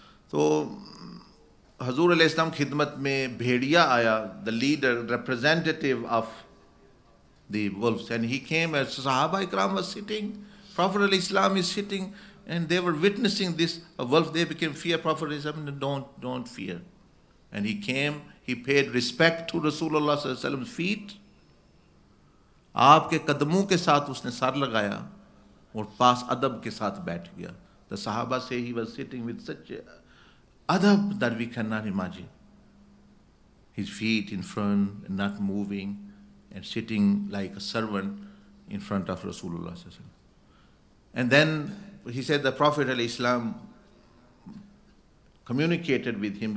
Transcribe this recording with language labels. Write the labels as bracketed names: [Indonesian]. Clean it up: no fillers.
[Urdu] تو حضور علیہ السلام خدمت میں بھیڑیا آیا, [English] the leader, representative of the wolves, and he came as صحابہ اکرام was sitting, Prophet علیہ السلام is sitting, and they were witnessing this wolf. They became fear. Prophet علیہ السلام, don't fear. And he came, he paid respect to رسول اللہ صلی اللہ علیہ وسلم's feet. [Urdu] آپ کے قدموں کے ساتھ اس نے سر لگایا اور پاس ادب کے ساتھ بیٹھ گیا. [English] The sahaba say he was sitting with such adab that we cannot imagine. His feet in front, not moving, and sitting like a servant in front of Rasulullah صلی اللہ علیہ وسلم. And then he said the Prophet علیہ السلام communicated with him.